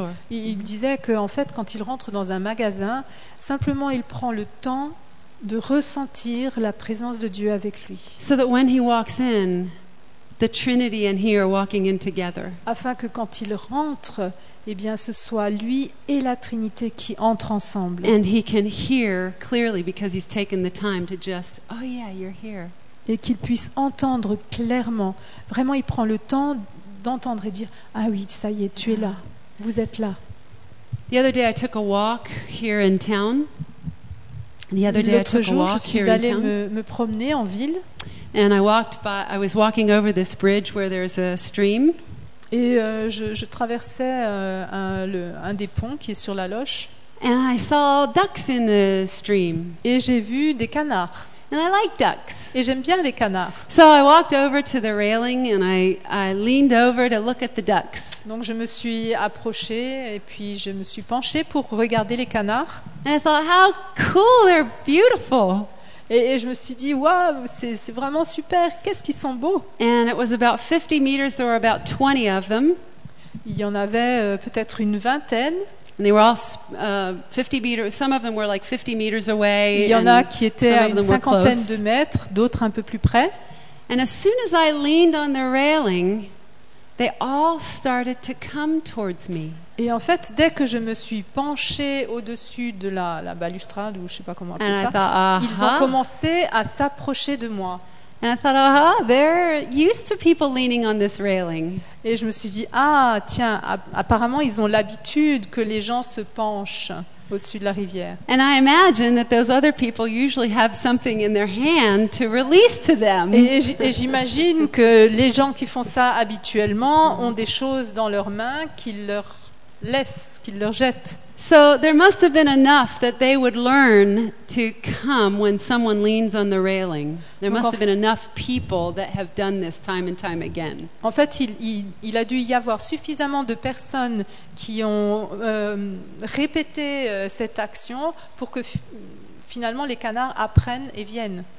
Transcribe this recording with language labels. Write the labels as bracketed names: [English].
[French] Il disait que en fait, quand il rentre dans un magasin, simplement il prend le temps de ressentir la présence de Dieu avec lui. [English] So that when he walks in, the Trinity and he are walking in together. [French] Afin que quand il rentre, eh bien, ce soit lui et la Trinité qui entrent ensemble. [English] And he can hear clearly because he's taken the time to just, oh yeah, you're here. [French] Et qu'il puisse entendre clairement. Vraiment, il prend le temps d'entendre et dire, ah oui, ça y est, tu es là, vous êtes là. [English] The other day, I took a walk here in town. [French] L'autre jour, je suis allée me promener en ville. [English] And I was walking over this bridge where there's a stream. [French] Et je traversais un des ponts qui est sur la Loche. [English] And I saw ducks in the stream. [French] Et j'ai vu des canards. [English] And I like ducks. [French] Et j'aime bien les canards. [English] So I walked over to the railing and I leaned over to look at the ducks. [French] Donc je me suis approchée et puis je me suis penchée pour regarder les canards. [English] And I thought, how cool, they're beautiful. [French] Et je me suis dit, waouh, c'est vraiment super. Qu'est-ce qu'ils sont beaux. [English] And it was about 50 meters, there were about 20 of them. [French] Il y en avait peut-être une vingtaine. [English] And they were all 50 meters. Some of them were like 50 meters away. [French] Il y en a qui étaient à une cinquantaine de mètres, d'autres un peu plus près. [English] And as soon as I leaned on the railing, they all started to come towards me. [French] Et en fait, dès que je me suis penchée au-dessus de la balustrade, ou je ne sais pas comment appeler ça, ils ont commencé à s'approcher de moi. [English] And I thought, aha, they're used to people leaning on this railing. [French] Et je me suis dit, ah, tiens, apparemment, ils ont l'habitude que les gens se penchent au-dessus de la rivière. [English] And I imagine that those other people usually have something in their hand to release to them. [French] Et j'imagine que les gens qui font ça habituellement ont des choses dans leurs mains qu'ils leur laissent, qu'ils leur jettent. [English] So there must have been enough that they would learn to come when someone leans on the railing. There must have been enough people that have done this time and time again. [French] En fait, il a dû y avoir suffisamment de personnes qui ont répété cette action pour que finalement les canards apprennent et viennent.